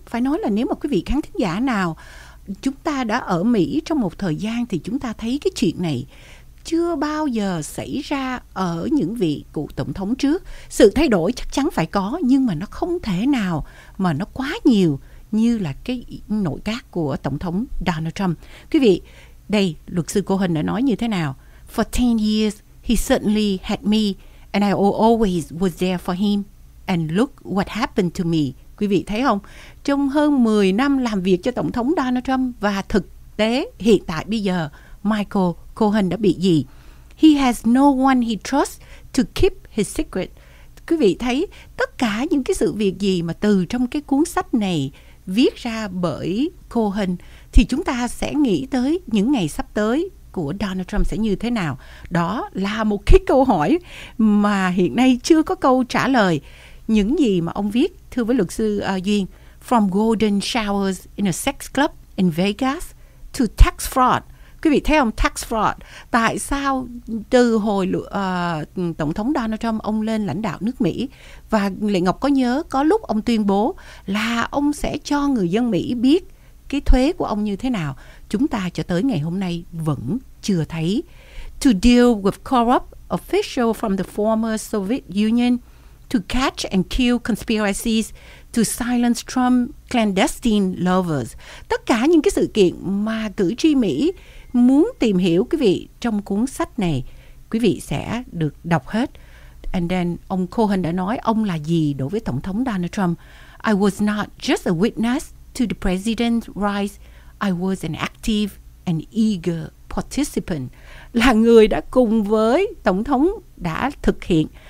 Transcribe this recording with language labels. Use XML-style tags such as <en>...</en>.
<vi>Phải nói là nếu mà quý vị khán thính giả nào chúng ta đã ở Mỹ trong một thời gian thì chúng ta thấy cái chuyện này chưa bao giờ xảy ra ở những vị cựu tổng thống trước. Sự thay đổi chắc chắn phải có, nhưng mà nó không thể nào mà nó quá nhiều như là cái nội các của Tổng thống Donald Trump. Quý vị, đây, luật sư Cohen đã nói như thế nào?</vi> <en>For 10 years, he certainly had me, and I always was there for him, and look what happened to me.</en> <vi>Quý vị thấy không? Trong hơn 10 năm làm việc cho Tổng thống Donald Trump, và thực tế hiện tại bây giờ, Michael Cohen đã bị gì?</vi> <en>He has no one he trusts to keep his secret.</en> <vi>Quý vị thấy tất cả những cái sự việc gì mà từ trong cái cuốn sách này viết ra bởi Cohen, thì chúng ta sẽ nghĩ tới những ngày sắp tới của Donald Trump sẽ như thế nào? Đó là một cái câu hỏi mà hiện nay chưa có câu trả lời. Những gì mà ông viết, thưa với luật sư Duyên,</vi> <en>From golden showers in a sex club in Vegas to tax fraud.</en> <vi>Quý vị thấy không?</vi> <en>Tax fraud.</en> <vi>Tại sao từ hồi Tổng thống Donald Trump ông lên lãnh đạo nước Mỹ, và Lệ Ngọc có nhớ có lúc ông tuyên bố là ông sẽ cho người dân Mỹ biết cái thuế của ông như thế nào, chúng ta cho tới ngày hôm nay vẫn chưa thấy.</vi> <en>To deal with corrupt officials from the former Soviet Union, to catch and kill conspiracies, to silence Trump clandestine lovers.</en> <vi>Tất cả những cái sự kiện mà cử tri Mỹ muốn tìm hiểu, quý vị, trong cuốn sách này quý vị sẽ được đọc hết.</vi> <en>And then</en> <vi>ông Cohen đã nói ông là gì đối với Tổng thống Donald Trump.</vi> <en>I was not just a witness to the president's rise, I was an active and eager participant.</en> <vi>Là người đã cùng với Tổng thống đã thực hiện</vi>